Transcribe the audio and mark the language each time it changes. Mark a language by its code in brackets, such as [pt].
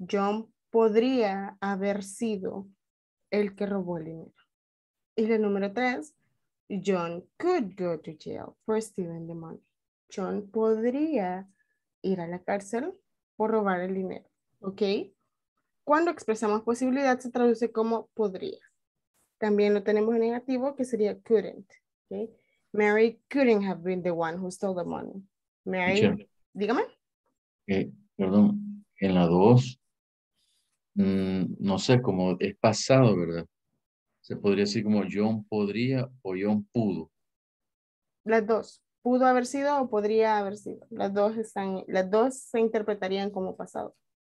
[es] John podría haber sido el que robó el dinero. Y el número tres, [en] John could go to jail for stealing the money. [es] John podría ir a la cárcel por robar el dinero. ¿Ok? Cuando expresamos posibilidad, se traduce como podría. También lo tenemos en negativo, que sería couldn't. ¿Ok? [en] Mary couldn't have been the one who stole the money. [es] Mary, [en] sure. [es] Dígame. Perdón, en la dos, no sé, como es pasado, ¿verdad? Se podría decir como John podría o John pudo. Las dos. Pudo haber sido o podría haber sido. Las dos se interpretarían como pasado.